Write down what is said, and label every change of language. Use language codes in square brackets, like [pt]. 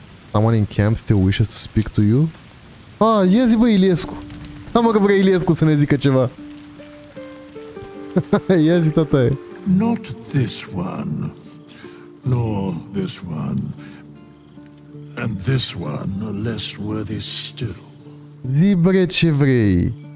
[en] Someone in camp still wishes to speak to you? [ro] Ah, ia zi bă, Iliescu. Da mă că vrea Iliescu să ne zică ceva. Ia zi, tataie. [en] Not this one, nor this one, and this one less worthy still. [ro] Zi bre ce vrei.